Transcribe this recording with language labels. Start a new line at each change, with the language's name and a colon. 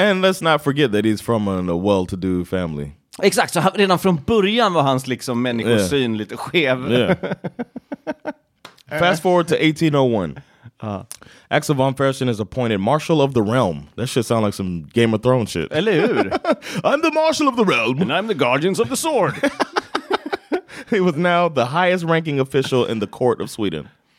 English: And let's not forget that he's from a well-to-do family.
Swedish: Exakt, så redan från början var hans liksom människosyn lite skev.
English: Yeah. Fast forward to 1801. Axel von Fersen is appointed Marshal of the Realm. That shit sound like some Game of Thrones shit.
Swedish: Eller hur?
English: I'm the Marshal of the Realm. And I'm the Guardians of the Sword. He was now the highest ranking official in the court of Sweden.